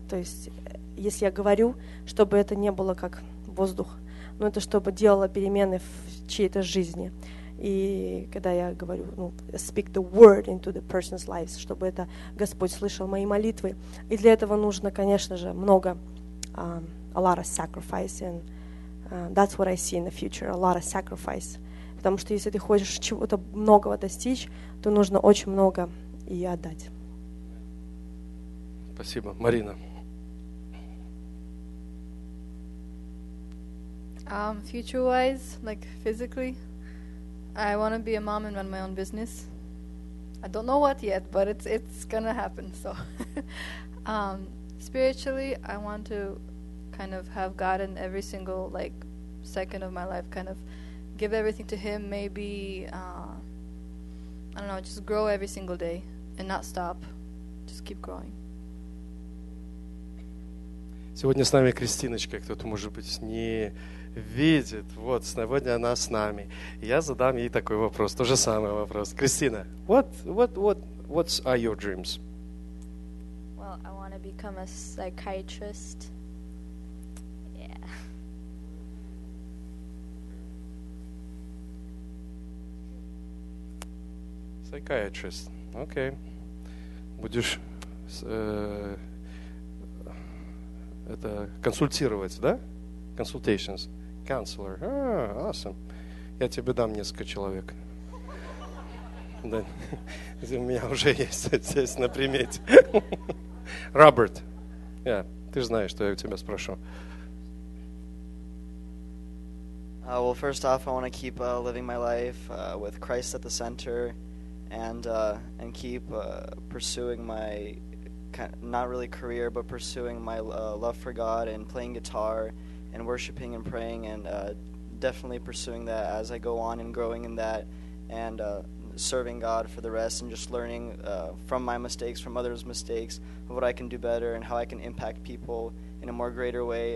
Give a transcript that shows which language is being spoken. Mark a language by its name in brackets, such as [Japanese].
[Russian] То есть, если я говорю, чтобы это не было как воздух, но это чтобы делало перемены в чьей-то жизни. И когда я говорю, ну, [English] speak the word into the person's lives, [Russian] чтобы это Господь слышал мои молитвы. И для этого нужно, конечно же, много, [English] a lot of sacrifice. And that's what I see in the future, a lot of sacrifice. [Russian] Потому что если ты хочешь чего-то многого достичь, то нужно очень много и отдать. Спасибо. Марина. [English] Future-wise, like physically, I want to be a mom and run my own business. I don't know what yet, but it's gonna happen. So, spiritually, I want to kind of have God in every single like second of my life. Kind of give everything to Him. Maybe I don't know. Just grow every single day and not stop. Just keep growing. [Russian] Сегодня с нами Кристиночка. Кто-то может быть не видит, вот, сегодня она с нами. Я задам ей такой вопрос, то же самый вопрос. [English] Кристина, what are your dreams? Well, I want to become a psychiatrist. Yeah. Psychiatrist, okay. [Russian] Будешь это консультировать, да? [English] Consultations. Counselor. Ah, awesome. [Russian] Я тебе дам несколько человек. Да. У меня уже есть здесь на примете. [English] Роберт. Yeah. [Russian] Ты же знаешь, что я у тебя спрошу. [English] Well, first off, I want to keep living my life with Christ at the center and keep pursuing my not really career, but pursuing my love for God and playing guitar. And worshiping and praying and definitely pursuing that as I go on and growing in that and serving God for the rest and just learning from my mistakes, from others' mistakes, what I can do better and how I can impact people in a more greater way.